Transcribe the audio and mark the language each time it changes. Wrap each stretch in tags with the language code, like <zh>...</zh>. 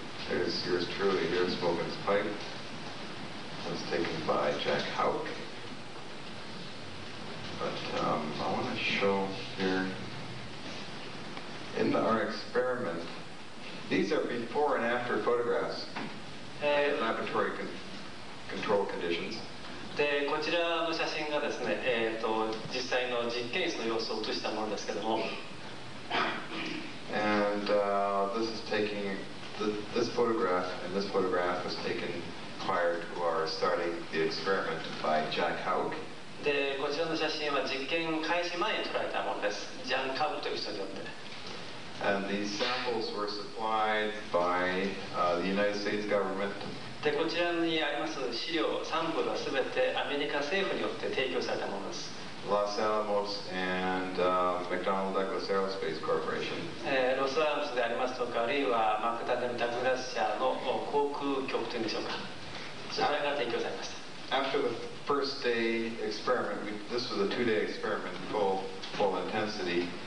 <en>There's yours truly, here's Morgan's pipe. Was taken by Jack Houck. But I want to show here in our experiment, these are before and after photographs in laboratory control conditions.</en> <ja>で、こちらの写真がですね、実際の実験室の様子を写したものですけども。</ja> <en>And this is taking this photograph, and this photograph was taken. Prior to our starting the experiment by Jack Houck.</en> <ja>で、こちらの写真は実験開始前に撮られたものです。ジャン・カウクという人によって。</ja> <en>And these samples were supplied by the United States government.</en> <ja>で、こちらにあります資料、サンプルはすべてアメリカ政府によって提供されたものです。</ja> <en>Los Alamos and McDonnell Douglas Aerospace Corporation.</en> <ja>Los Alamos でありますとか、あるいはマクダネル・ダグラス社の航空局というんでしょうか。</ja> <en>After the first day experiment, this was a two-day experiment, full intensity.</en>